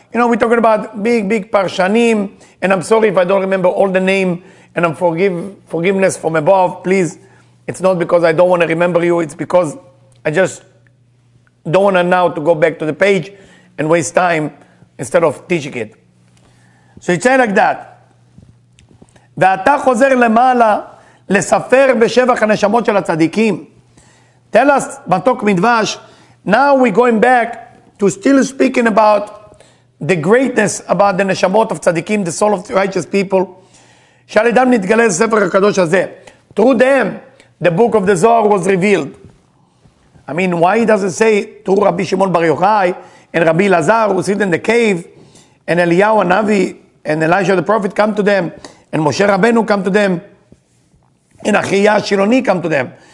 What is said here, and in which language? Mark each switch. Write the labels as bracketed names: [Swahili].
[English] You know, we're talking about big, big parshanim, and I'm sorry if I don't remember all the name, and I'm forgiveness from above, please. It's not because I don't want to remember you, it's because I just don't want to now to go back to the page and waste time instead of teaching it. So it's like that. [Hebrew] ואתה חוזר למעלה לספר בשבח הנשמות של הצדיקים. [English] Tell us, מתוק מדבש, now we're going back to still speaking about the greatness about the neshamot of tzaddikim, the soul of the righteous people, [Hebrew] שעל ידם נתגלה לספר הקדוש הזה. [English] Through them, the book of the Zohar was revealed. I mean, why does it say, through Rabbi Shimon Bar Yochai, and Rabbi Lazar, who sit in the cave, and Eliyahu Hanavi, and Elijah the prophet come to them, and Moshe Rabbeinu come to them, and Achiyah Shiloni come to them.